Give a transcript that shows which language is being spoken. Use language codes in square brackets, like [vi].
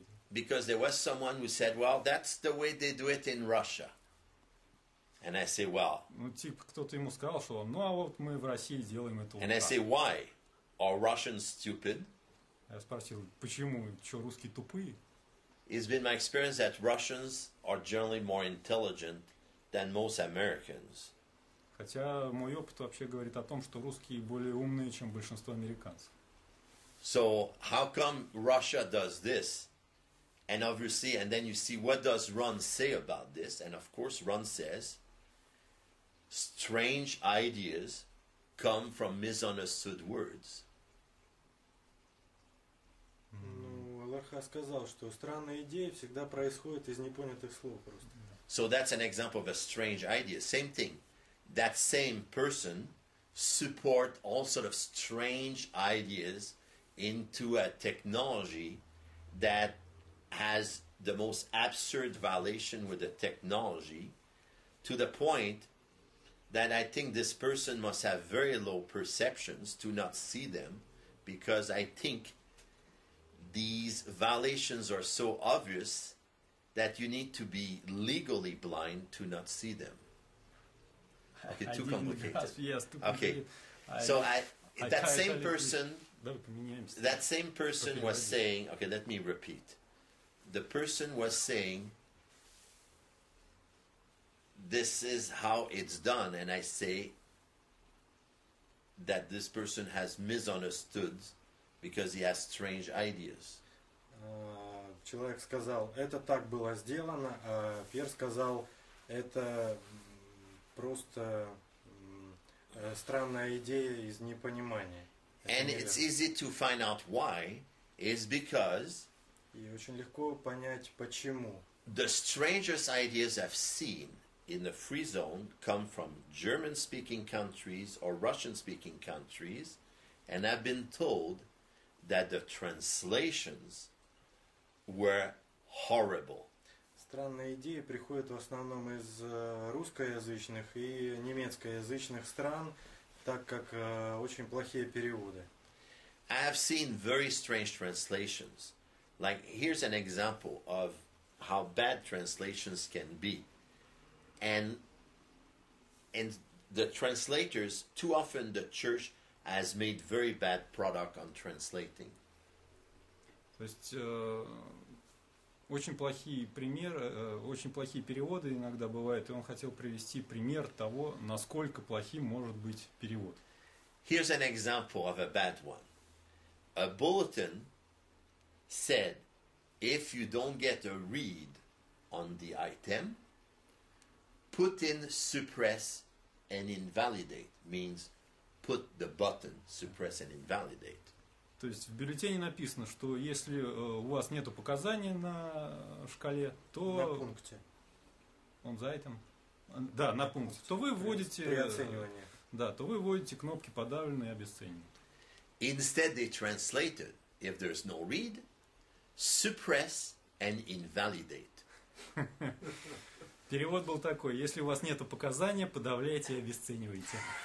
[en] Because there was someone who said, well, that's the way they do it in Russia. And I say, well. [ru] Ну, типа, кто-то ему сказал, что, ну, а вот мы в России делаем это. [en] And I say, why? Are Russians stupid? [ru] Я спросил, почему? Чё, русские тупые? [en] It's been my experience that Russians are generally more intelligent than most Americans. [ru] Хотя мой опыт вообще говорит о том, что русские более умные, чем большинство американцев. [en] So how come Russia does this? And obviously, and then you see what does Ron say about this? And of course, Ron says, strange ideas come from misunderstood words. [ru] Ну, Аллах сказал, что странные идеи всегда происходят из непонятых слов просто. [en] So that's an example of a strange idea. Same thing. That same person support all sort of strange ideas into a technology that has the most absurd violation with the technology, to the point that I think this person must have very low perceptions to not see them, because I think these violations are so obvious that you need to be legally blind to not see them. Okay, too complicated. Yes, okay, so that same person was saying, okay, let me repeat. The person was saying, this is how it's done, and I say that this person has misunderstood because he has strange ideas. [ru] Человек сказал, это так было сделано, а Пьер сказал, это просто странная идея из непонимания. [en] And it's easy to find out why, is because [ru] и очень легко понять, почему. [en] The strangest ideas I've seen in the free zone come from German-speaking countries or Russian-speaking countries, and I've been told that the translations were horrible. [ru] Странные идеи приходят в основном из русскоязычных и немецкоязычных стран, так как очень плохие переводы. [en] I have seen very strange translations. Like, here's an example of how bad translations can be. And the translators, too often the church has made very bad product on translating. [ru] То есть, очень плохие примеры, очень плохие переводы иногда бывают, и он хотел привести пример того, насколько плохим может быть перевод. [en] Here's an example of a bad one. A bulletin said, if you don't get a read on the item, put in suppress and invalidate means put the button suppress and invalidate. [ru] То есть в бюллетене написано, что если у вас нету показания на шкале, то на пункте. Он за этим. Да, на пункте. То вы вводите при оценивании. Да, то вы вводите кнопки подавленные и обесценивают. [en] Instead they translated if there's no read, suppress and invalidate. [ru] Перевод был такой: если у вас нету показания, подавляйте и обесценивайте.